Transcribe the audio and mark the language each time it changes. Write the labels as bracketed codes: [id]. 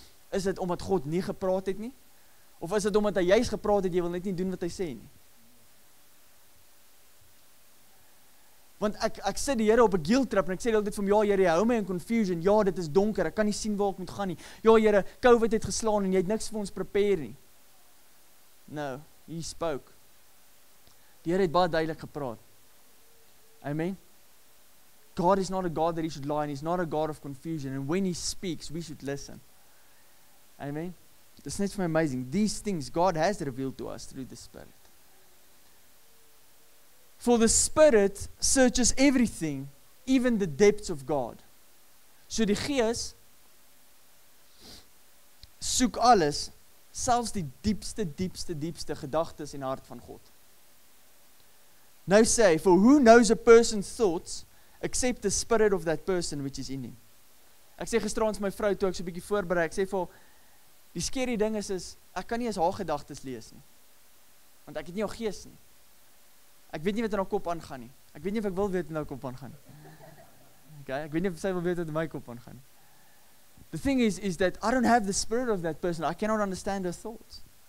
[en] Is it [af] omdat God nie gepraat het nie? Of [en] is it [af] omdat hy juist gepraat het, jy wil net nie doen wat hy sê nie? Want ek sit die Here op 'n [en] guilt trip [af] en ek sê altyd vir hom, ja Here, hou my in confusion, ja dit is donker, ek kan nie sien waar ek moet gaan nie. Ja Here, COVID het geslaan en jy het niks vir ons prepare nie. [en] No, he spoke. [af] Die Here het baie duidelik gepraat. Amen. [en] God is not a God that he should lie, and he's not a God of confusion, and when he speaks, we should listen. Amen. [af] Dis net vir my amazing. [en] These things God has revealed to us through the Spirit. For the Spirit searches everything, even the depths of God. [af] So die Gees soek alles, selfs die diepste gedagtes en hart van God. Nou sê, [en] for who knows a person's thoughts, except the spirit of that person which is in him. [af] Ek sê gisteraan vir my vrou, toe ek so 'n bietjie voorberei, ek sê vir die scary ding is, ek kan nie eens haar gedagtes lees nie. Want ek het nie haar gees nie. Ek weet nie wat in haar kop aangaan nie. Ek weet nie of ek wil weet wat in haar kop aangaan nie. Okay? Ek weet nie of sy wil weet wat in my kop aangaan nie. [en] The thing is that I don't have the spirit of that person. I cannot understand her thoughts.